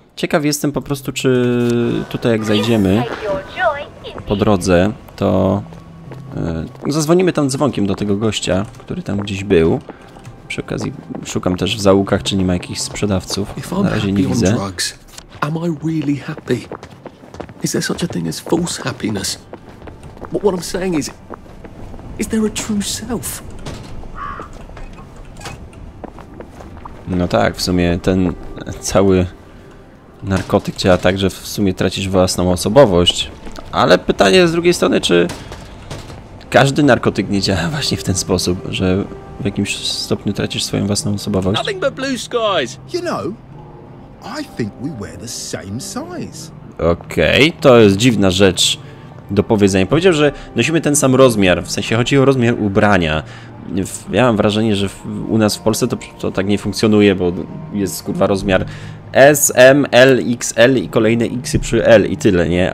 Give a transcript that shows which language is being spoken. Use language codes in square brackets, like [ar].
[pl] Ciekaw jestem po prostu, czy tutaj jak zajdziemy po drodze, to... Zadzwonimy tam dzwonkiem do tego gościa, który tam gdzieś był. Przy okazji szukam też w zaułkach, czy nie ma jakichś sprzedawców. Na razie nie widzę. [en] Am I really happy? Is there such a thing as false happiness? But what I'm saying is there a true self? [pl] No tak, w sumie ten cały narkotyk działa tak, że w sumie tracisz własną osobowość. Ale pytanie z drugiej strony, czy każdy narkotyk nie działa właśnie w ten sposób, że w jakimś stopniu tracisz swoją własną osobowość. [en] Nothing but blue skies. You know, I think we wear the same size. [pl] Okej, to jest dziwna rzecz do powiedzenia. Powiedział, że nosimy ten sam rozmiar, w sensie chodzi o rozmiar ubrania. Ja mam wrażenie, że u nas w Polsce to tak nie funkcjonuje, bo jest kurwa rozmiar S, M, L, XL i kolejne X-y przy L i tyle, nie?